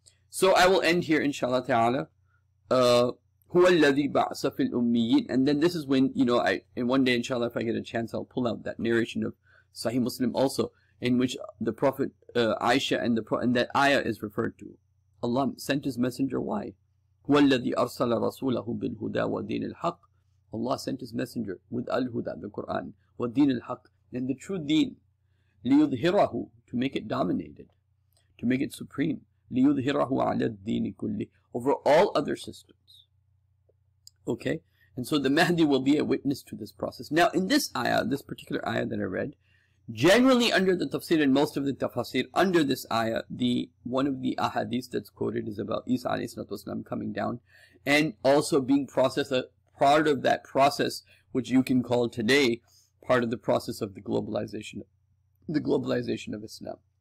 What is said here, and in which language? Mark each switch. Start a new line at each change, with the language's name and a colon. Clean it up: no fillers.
English: So I will end here, inshallah ta'ala.
Arabic: هو الذي بعث في الأميين.
English: And then this is when, you know, in one day, inshallah, if I get a chance, I'll pull out that narration of Sahih Muslim also, in which the Prophet Aisha and that ayah is referred to. Allah sent his messenger, why?
Arabic: هو الذي أرسل رسوله بالهدى ودين الحق.
English: Allah sent his messenger with al-huda, the Quran,
Arabic: ودين الحق,
English: and the true deen.
Arabic: ليظهره,
English: to make it dominated, to make it supreme.
Arabic: ليظهره على الدين كله,
English: over all other systems. Okay? And so the Mahdi will be a witness to this process. Now in this ayah, this particular ayah that I read, generally under the tafsir and most of the tafsir, under this ayah, one of the ahadith that's quoted is about Isa alayhi salatu wasalam coming down and also being processed, a part of that process, which you can call today part of the process of the globalization of Islam.